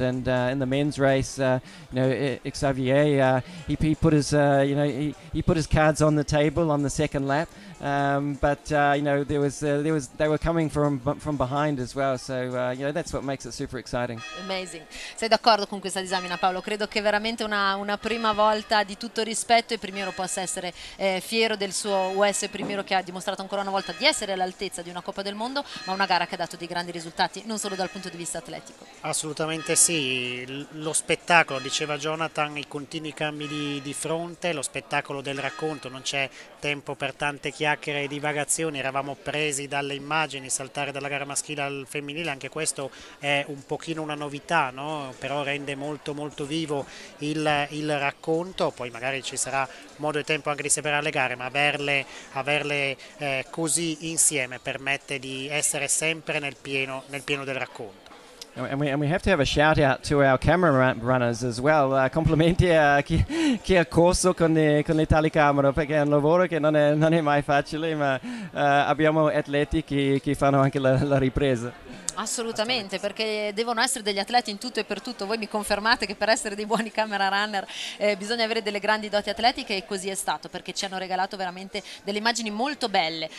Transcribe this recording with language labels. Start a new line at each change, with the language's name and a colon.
English: And in the men's race, Xavier, he put his cards on the table on the second lap. They were coming from behind as well, so that's what makes it super exciting. Amazing.
Italian: Sei d'accordo con questa disamina, Paolo? Credo che veramente una prima volta di tutto rispetto, e primiero possa essere fiero del suo US primiero, che ha dimostrato ancora una volta di essere all'altezza di una Coppa del Mondo, ma una gara che ha dato dei grandi risultati non solo dal punto di vista atletico. Assolutamente sì, lo spettacolo, diceva Jonathan, i continui cambi di fronte, lo spettacolo del racconto, non c'è tempo per tante chiacchiere e divagazioni, eravamo presi dalle immagini, saltare dalla gara maschile al femminile, anche questo è un pochino una novità, no? Però rende molto molto vivo il racconto, poi magari ci sarà modo e tempo anche di separare le gare, ma averle così insieme permette di essere sempre nel pieno del racconto.
English: And we have to have a shout out to our camera runners as well.
Italian: Complimenti a chi ha corso con le telecamere, perché è un lavoro che non è mai facile, ma abbiamo atleti che fanno anche la ripresa. Assolutamente, perché devono essere degli atleti in tutto e per tutto. Voi mi confermate che per essere dei buoni camera runner bisogna avere delle grandi doti atletiche, e così è stato, perché ci hanno regalato veramente delle immagini molto belle.